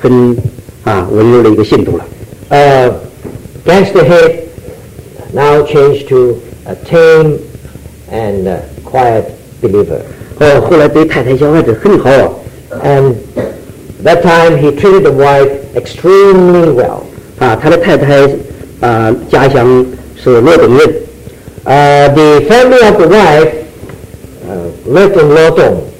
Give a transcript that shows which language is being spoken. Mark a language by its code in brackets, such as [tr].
[zh] 一个大流氓就变成一个很温柔的一个信徒了。 [en] Gangster head now changed to a tame and quiet believer. [zh] 后来对太太小孩子很好。 [en] And that time he treated the wife extremely well. [zh] 他的太太家乡是罗东人。 [en] The family of the wife lived in Luo Dong.